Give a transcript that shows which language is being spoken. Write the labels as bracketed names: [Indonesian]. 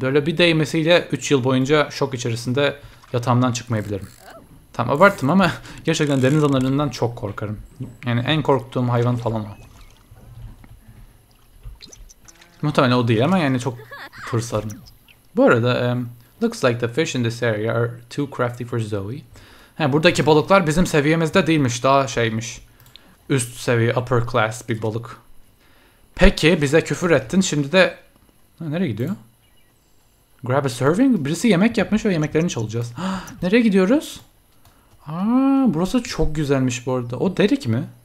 [Turkish] Böyle bir değmesiyle 3 yıl boyunca şok içerisinde yatağımdan çıkmayabilirim. Tam abarttım ama gerçekten deniz analarından çok korkarım. Yani en korktuğum hayvan falan o. Muhtemelen o değil ama yani çok pırsarım. Bu arada, [English] looks like the fish in this area are too crafty for Zoe. [Turkish] He, buradaki balıklar bizim seviyemizde değilmiş, daha şeymiş. Üst seviye, upper class bir balık. Peki, bize küfür ettin, şimdi de... Ha, nereye gidiyor? [English] Grab a serving? [Turkish] Birisi yemek yapmış ve yemeklerini çalacağız. Ha, nereye gidiyoruz? Aa, burası çok güzelmiş bu arada. O Derek mi?